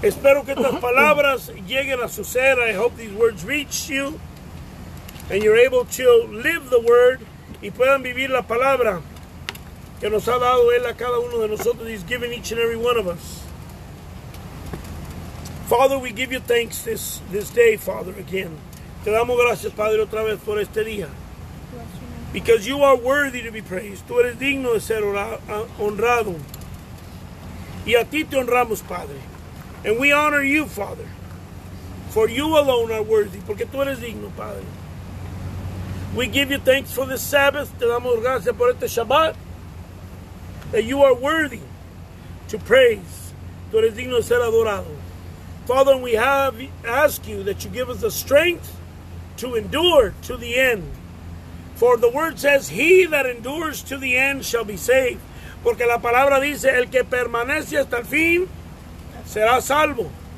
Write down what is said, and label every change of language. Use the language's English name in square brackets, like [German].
[Spanish] Espero que estas palabras lleguen a su ser. [English] I hope these words reach you. And you're able to live the word. [Spanish] Y puedan vivir la palabra. Que nos ha dado él a cada uno de nosotros. [English] He's given each and every one of us. Father, we give you thanks this day, Father, again. [Spanish] Te damos gracias, Padre, otra vez por este día. [English] Because you are worthy to be praised. [Spanish] Tú eres digno de ser honrado. Y a ti te honramos, Padre. [English] And we honor you, Father. For you alone are worthy. [Spanish] Porque tú eres digno, Padre. [English] We give you thanks for this Sabbath. [Spanish] Te damos gracias por este Shabbat. [English] That you are worthy to praise. [Spanish] Tú eres digno de ser adorado. [English] Father, we have asked you that you give us the strength to endure to the end. For the word says, he that endures to the end shall be saved. [Spanish] Porque la palabra dice, el que permanece hasta el fin será salvo.